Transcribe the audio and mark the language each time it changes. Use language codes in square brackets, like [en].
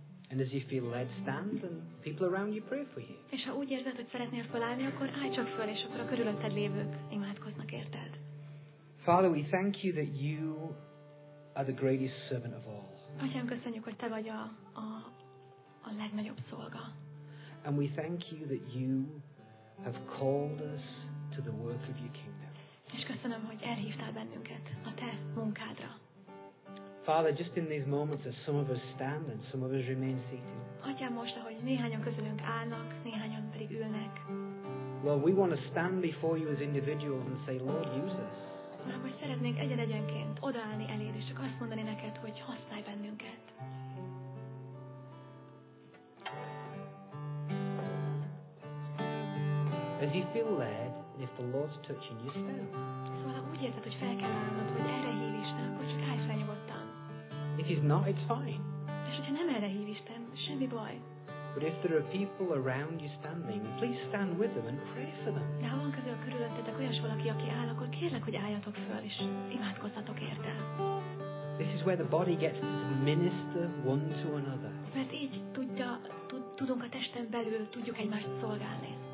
[en] And as you feel led, stand, and people around you pray for you. [hu] És ha úgy érzed, hogy szeretnél felállni, akkor állj csak föl, és akkor a körülötted lévők imádkoznak érted. [en] Father, we thank you that you are the greatest servant of all. [hu] Atyám, köszönjük, hogy te vagy a legnagyobb szolga. [en] And we thank you that you have called us to the work of your kingdom. [hu] És köszönöm, hogy elhívtál bennünket a te munkádra. [en] Father, just in these moments as some of us stand and some of us remain seated. [hu] Atyám, most, ahogy néhányan közülünk állnak, néhányan pedig ülnek. [en] Lord, we want to stand before you as individuals and say, Lord, use us. [hu] Uram, hogy szeretnénk egyen-egyenként odaállni eléd, és csak azt mondani neked, hogy használj bennünket. [en] As you feel led, if the Lord's touching you, stand. [hu] Szóval, ha úgy érzed, hogy fel kell állnod, hogy erre hív Isten, akkor csak állj fel nyugodtan. [en] If he's not, it's fine. [hu] És hogyha nem erre hív Isten, semmi baj. [en] But if there are people around you standing, please stand with them and pray for them. [hu] De ha van közül a körülöttetek olyas valaki, aki áll, akkor kérlek, hogy álljatok föl, és imádkozzatok érte. [en] This is where the body gets to minister one to another. [hu] Mert így tudunk a testen belül, tudjuk egymást szolgálni.